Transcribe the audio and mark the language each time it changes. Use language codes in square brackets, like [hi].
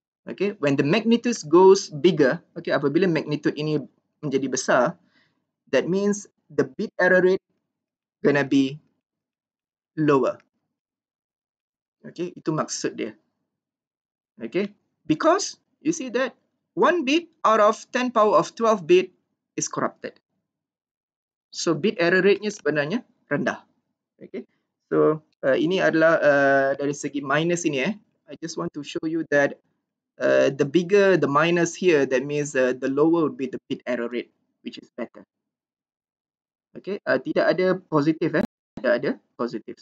[en] Okay, when the magnitude goes bigger, okay, [ms] apabila magnitude ini menjadi besar, [en] that means the bit error rate gonna be lower. [ms] Okay, itu maksud dia. [en] Okay, because you see that one bit out of 10 power of 12 bit is corrupted. [ms] So bit error rate nya sebenarnya rendah. Okay, so ini adalah dari segi minus ini. [en] I just want to show you that the bigger the minus here, that means the lower would be the bit error rate, which is better. [ms] Okay, tidak ada positif tidak ada positif.